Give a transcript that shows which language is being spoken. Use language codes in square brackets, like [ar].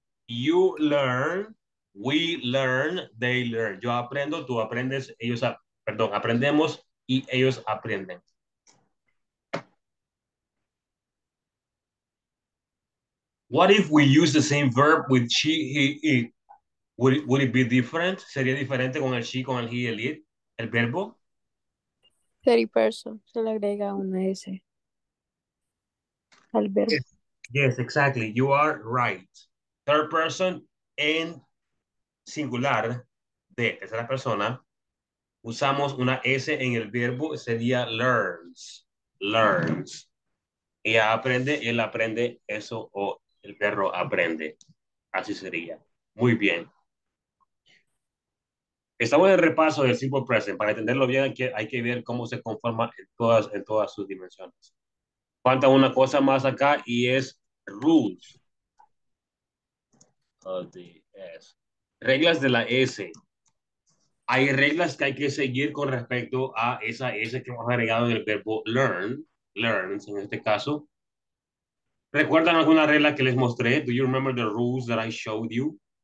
[en] You learn, we learn, they learn. [es] Yo aprendo, tú aprendes, aprendemos y ellos aprenden. [en] What if we use the same verb with she, he, it? Would it be different? [es] ¿Sería diferente con el she, con el he, el it? ¿El verbo? [en] Third person, [es] se le agrega una S al verbo. [en] Yes, exactly, you are right. Third person [es] en singular de tercera persona, usamos una S en el verbo, sería learns. Ella aprende, él aprende eso, o el perro aprende. Así sería. Muy bien. Estamos en el repaso del simple present. Para entenderlo bien, hay que ver cómo se conforma en todas sus dimensiones. Falta una cosa más acá y es rules. [en] Of the S. [es] Reglas de la S. Hay reglas que hay que seguir con respecto a esa S que hemos agregado en el verbo learn. Learns en este caso. ¿Recuerdan alguna regla que les mostré? [en] Do you remember the rules that I showed you?